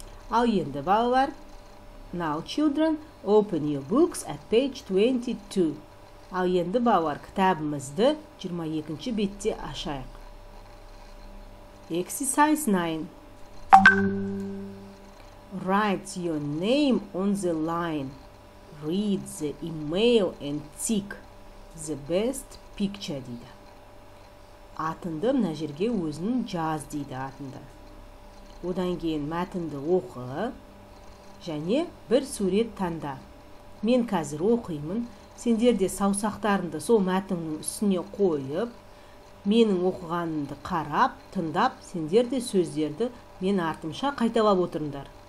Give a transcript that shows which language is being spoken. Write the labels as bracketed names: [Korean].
[Kazakh] Ал енді балалар, [English] now children, open your books at page 22. [Kazakh] Ал енді балалар, кітабымызды 22-ші бетте ашайық. [English] Exercise 9. Write your name on the line. Read the email and tick the best picture, [Kazakh] дейді. Атынды мына жерге өзінің жаз, дейді атынды. Одан кейін мәтінді оқы, және бір сурет таңда. Мен қазір оқимын, сендер де саусақтарыңды сол мәтіннің үстіне қойып, менің оқығанымды қарап, тыңдап, сендер де сөздерді мен артымша қайталап отырыңдар.